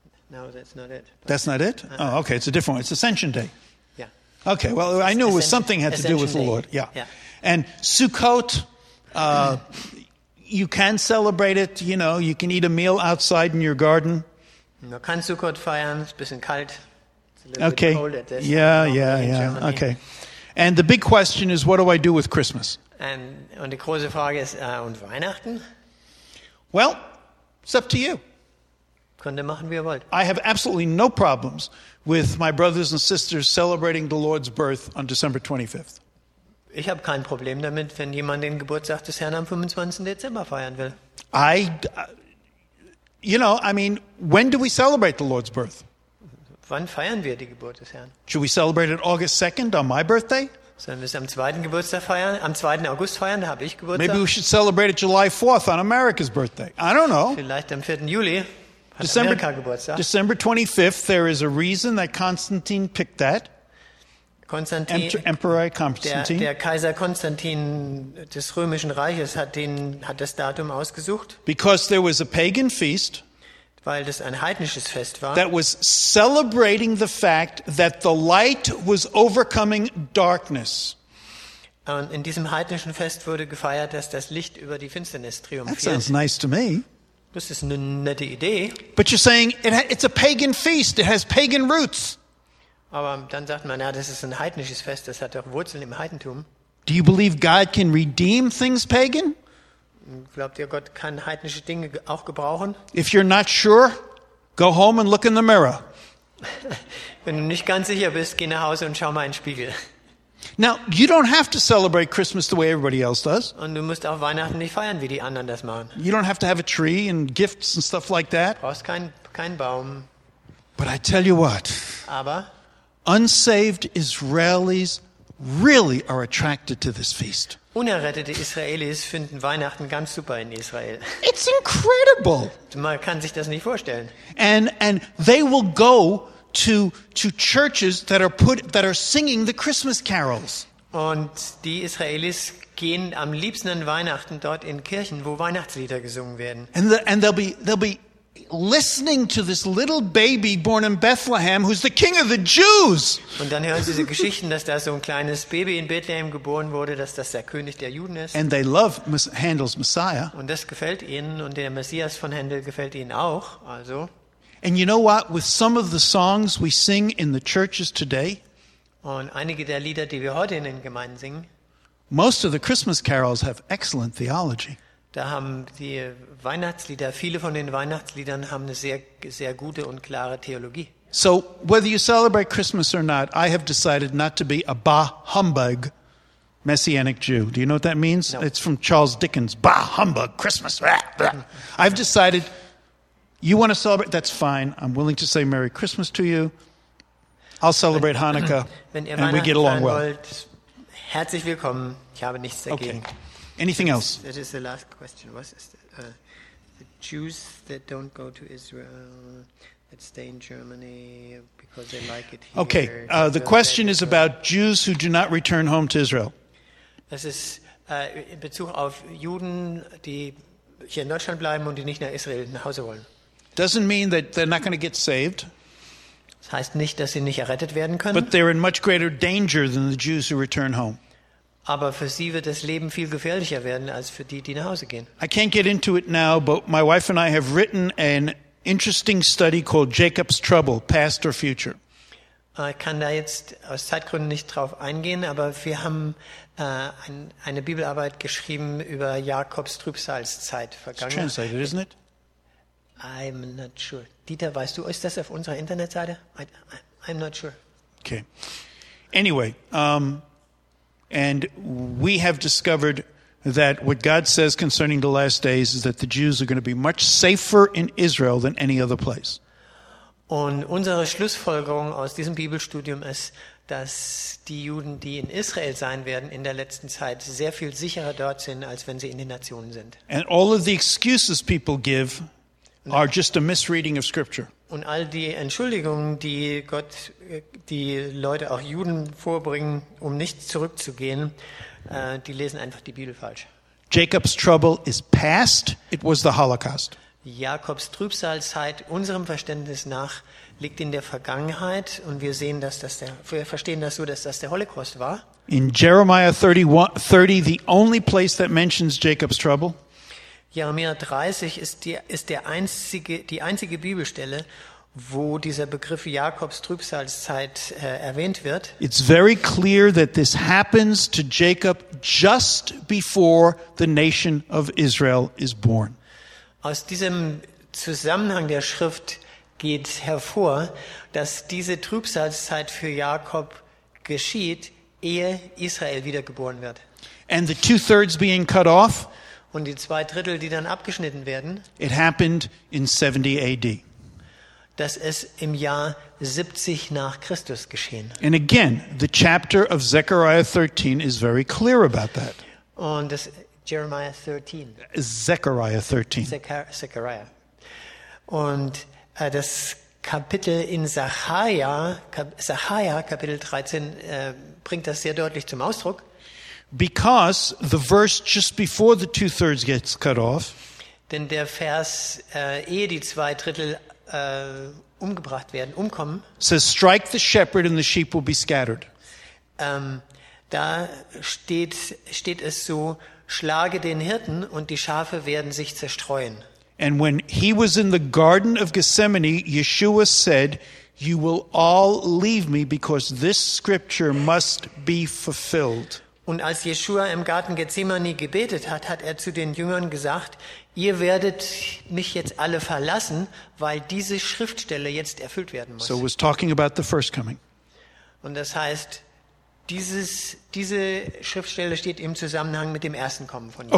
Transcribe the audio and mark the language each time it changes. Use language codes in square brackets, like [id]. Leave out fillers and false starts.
[en] No, that's not it. That's not it? Oh, okay, it's a different one. It's Ascension Day. Yeah. Okay, well, I knew it was something had to do with the Lord. Yeah. Yeah. And Sukkot, you can celebrate it, you know, you can eat a meal outside in your garden. [de] Man kann Sukkot feiern, es ist ein bisschen kalt. [en] Okay, yeah, okay. And the big question is, what do I do with Christmas? [de] Und die große Frage ist, und Weihnachten? [en] Well, it's up to you. [de] Könnt ihr machen, wie ihr wollt. [en] I have absolutely no problems with my brothers and sisters celebrating the Lord's birth on December 25th. [de] Ich habe kein Problem damit, wenn jemand den Geburtstag des Herrn am 25. Dezember feiern will. [en] When do we celebrate the Lord's birth? [de] Wann feiern wir die Geburt des Herrn? [en] Should we celebrate it August 2nd on my birthday? [de] Sollen wir es am 2. Geburtstag feiern? Am 2. August feiern, da habe ich Geburtstag. [en] Maybe we should celebrate it July 4th on America's birthday. I don't know. [de] Vielleicht am 4. Juli hat Amerika Geburtstag. [en] December 25th, there is a reason that Constantine picked that. Emperor Constantine. [de] Der Kaiser Konstantin des Römischen Reiches hat das Datum ausgesucht. [en] Because there was a pagan feast. [de] Weil das ein heidnisches Fest war. [en] That was celebrating the fact that the light was overcoming darkness. [de] Und in diesem heidnischen Fest wurde gefeiert, dass das Licht über die Finsternis triumphiert. [en] That sounds nice to me. [de] Das ist eine nette Idee. [en] But you're saying it's a pagan feast. It has pagan roots. [de] Aber dann sagt man, ja, das ist ein heidnisches Fest. Das hat doch Wurzeln im Heidentum. [en] Do you believe God can redeem things pagan? [de] Glaubt ihr, Gott kann heidnische Dinge auch gebrauchen? [en] If you're not sure, go home and look in the mirror. [de] Wenn du nicht ganz sicher bist, geh nach Hause und schau mal in den Spiegel. [en] Now, you don't have to celebrate Christmas the way everybody else does. [de] Und du musst auch Weihnachten nicht feiern, wie die anderen das machen. [en] You don't have to have a tree and gifts and stuff like that. [de] Brauchst keinen Baum. [en] But I tell you what. [de] Aber [en] unsaved Israelis really are attracted to this feast. [de] Unerrettete Israelis finden Weihnachten ganz super in Israel. [en] It's incredible. [de] Man kann sich das nicht vorstellen. [en] And they will go to churches that are singing the Christmas carols. [de] Und die Israelis gehen am liebsten an Weihnachten dort in Kirchen, wo Weihnachtslieder gesungen werden. [en] And they'll be listening to this little baby born in Bethlehem who's the king of the Jews. [de] Und dann hören sie diese Geschichten, dass da so ein kleines Baby in Bethlehem geboren wurde, dass das der König der Juden ist. [en] And they love Handel's Messiah. [de] Und das gefällt ihnen und der Messias von Handel gefällt ihnen auch, also. [en] And you know what, with some of the songs we sing in the churches today, [de] und einige der Lieder, die wir heute in den Gemeinden singen, [en] most of the Christmas carols have excellent theology. [de] Da haben die Weihnachtslieder, viele von den Weihnachtsliedern haben eine sehr, sehr gute und klare Theologie. [en] So, whether you celebrate Christmas or not, I have decided not to be a bah humbug messianic Jew. Do you know what that means? No. It's from Charles Dickens. Bah humbug, Christmas. Blah, blah. I've decided, you want to celebrate, that's fine. I'm willing to say Merry Christmas to you. I'll celebrate Hanukkah and we get along well. [de] Wollt, herzlich willkommen, ich habe nichts dagegen. [en] Okay. Anything else? That is the last question. What is the Jews that don't go to Israel, that stay in Germany because they like it here? Okay, the question is about Jews who do not return home to Israel. [de] Das ist in Bezug auf Juden, die hier in Deutschland bleiben und die nicht nach Israel nach Hause wollen. [en] Doesn't mean that they're not going to get saved. [de] Das heißt nicht, dass sie nicht errettet werden können. [en] But they're in much greater danger than the Jews who return home. [de] Aber für sie wird das Leben viel gefährlicher werden als für die, die nach Hause gehen. [en] I can't get into it now, but my wife and I have written an interesting study called Jacob's Trouble, Past or Future. [de] Ich kann da jetzt aus Zeitgründen nicht drauf eingehen, aber wir haben eine Bibelarbeit geschrieben über Jakobs Trübsalszeit vergangen. [en] It's translated, isn't it? I'm not sure. [de] Dieter, weißt du, ist das auf unserer Internetseite? [en] I'm not sure. Okay. Anyway, and we have discovered that what God says concerning the last days is that the Jews are going to be much safer in Israel than any other place. [de] Und unsere Schlussfolgerung aus diesem Bibelstudium ist, dass die Juden, die in Israel sein werden, in der letzten Zeit sehr viel sicherer dort sind, als wenn sie in den Nationen sind. [en] And all of the excuses people give are just a misreading of scripture. [de] Und all die Entschuldigungen, die Gott, die Leute, auch Juden vorbringen, um nicht zurückzugehen, die lesen einfach die Bibel falsch. [en] Jacob's trouble is past. It was the Holocaust. [de] Jakobs Trübsalzeit, unserem Verständnis nach, liegt in der Vergangenheit, und wir sehen, dass das der, wir verstehen das so, dass das der Holocaust war. [en] In Jeremiah 30, the only place that mentions Jacob's trouble. [de] Jeremia 30 ist die einzige Bibelstelle, wo dieser Begriff Jakobs Trübsalzeit erwähnt wird. [en] It's very clear that this happens to Jacob just before the nation of Israel is born. [de] Aus diesem Zusammenhang der Schrift geht hervor, dass diese Trübsalzeit für Jakob geschieht, ehe Israel wiedergeboren wird. [en] And the two thirds being cut off. [de] Und die zwei Drittel, die dann abgeschnitten werden. [en] It happened in 70 AD. [de] Das ist im Jahr 70 nach Christus geschehen. [en] And again, the chapter of Zechariah 13 is very clear about that. [de] Und das Jeremiah 13. [en] Zechariah 13. Zechariah. [de] Und das Kapitel in Zechariah Kapitel 13 bringt das sehr deutlich zum Ausdruck. [en] Because the verse just before the two thirds gets cut off. [de] Denn der Vers, ehe die zwei Drittel umgebracht werden, umkommen. [en] Says, strike the shepherd and the sheep will be scattered. [de] Da steht es so, schlage den Hirten und die Schafe werden sich zerstreuen. [en] And when he was in the Garden of Gethsemane, Yeshua said, you will all leave me because this scripture must be fulfilled. [de] Und als Yeshua im Garten Gethsemane gebetet hat, hat er zu den Jüngern gesagt, ihr werdet mich jetzt alle verlassen, weil diese Schriftstelle jetzt erfüllt werden muss. [en] So was talking about the first coming. [de] Und das heißt, diese Schriftstelle steht im Zusammenhang mit dem ersten Kommen von Jesus.